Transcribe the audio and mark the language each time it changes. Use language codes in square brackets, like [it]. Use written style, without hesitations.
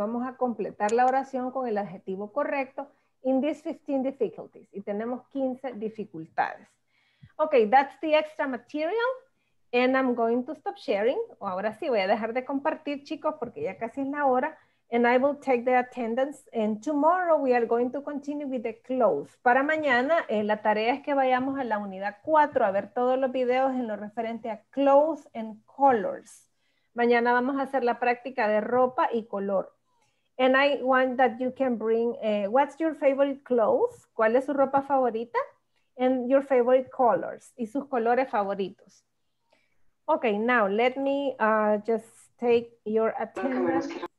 [es] Vamos a completar la oración con el adjetivo correcto [en] in these 15 difficulties. [es] Y tenemos 15 dificultades. [en] Ok, that's the extra material. And I'm going to stop sharing. [es] O ahora sí, voy a dejar de compartir, chicos, porque ya casi es la hora. [en] And I will take the attendance. And tomorrow we are going to continue with the close. [es] Para mañana, la tarea es que vayamos a la unidad 4 a ver todos los videos en lo referente a [en] clothes and colors. [es] Mañana vamos a hacer la práctica de ropa y color. [en] And I want that you can bring, what's your favorite clothes? [es] ¿Cuál es su ropa favorita? [en] And your favorite colors [es] y sus colores favoritos. [en] Okay, now let me just take your attendance.